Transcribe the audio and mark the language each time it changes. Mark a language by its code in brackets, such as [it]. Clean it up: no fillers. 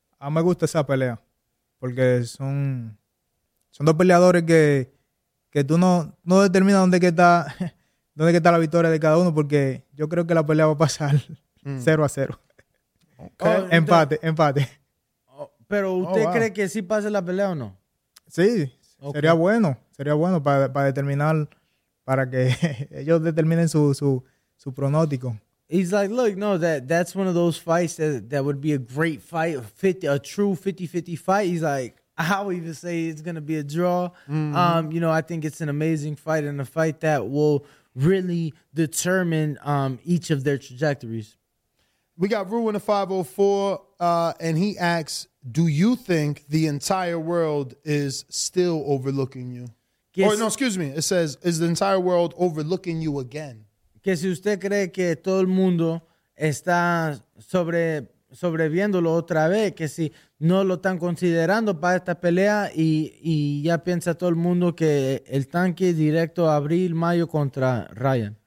[es] A mí me gusta esa pelea, porque son dos peleadores que tú no determinas dónde está la victoria de cada uno, porque yo creo que la pelea va a pasar 0-0. Okay. Empate. Pero usted cree que sí pase la pelea o no? Sí, okay. Sería bueno para determinar, para que ellos determinen su pronóstico. [en] He's like, look, no, that's one of those fights that would be a great fight, a true 50-50 fight. He's like, I would even say it's going to be a draw. Mm-hmm. You know, I think it's an amazing fight and a fight that will really determine each of their trajectories. We got Ru in the 504, and he asks, do you think the entire world is still overlooking you? It says, is the entire world overlooking you again? [es] Que si usted cree que todo el mundo está sobreviéndolo otra vez, que si no lo están considerando para esta pelea y ya piensa todo el mundo que el Tanque directo abril, mayo contra Ryan.